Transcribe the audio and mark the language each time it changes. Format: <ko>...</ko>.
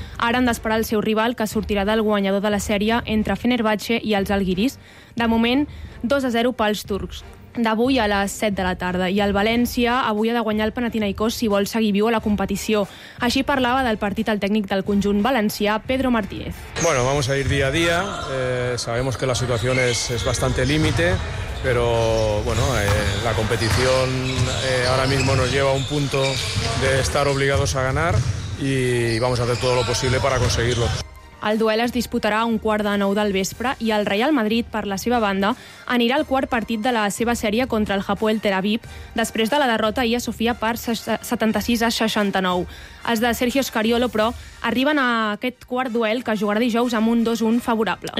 <ca>Ara han d'esperar el seu rival, que sortirà del guanyador de la sèrie entre Fenerbahçe i els Alguiris. De moment, 2-0 pels turcs. D'avui a les 7 de la tarda. I el València avui ha de guanyar el Panathinaikos si vol seguir viu a la competició. Així parlava del partit el tècnic del conjunt valencià, Pedro Martínez.</ca> <es>Bueno, vamos a ir día a día. Sabemos que la situación es bastante límite, pero bueno, la competición ahora mismo nos lleva a un punto de estar obligados a ganar y vamos a hacer todo lo posible para conseguirlo.</es> <ca>El duel es disputarà a 9:15 del vespre i el Real Madrid, per la seva banda, anirà al quart partit de la seva sèrie contra el Hapoel Tel Aviv després de la derrota ahir a Sofia per 76-69. Els de Sergio Scariolo, però, arriben a aquest quart duel que jugarà dijous amb un 2-1 favorable.</ca>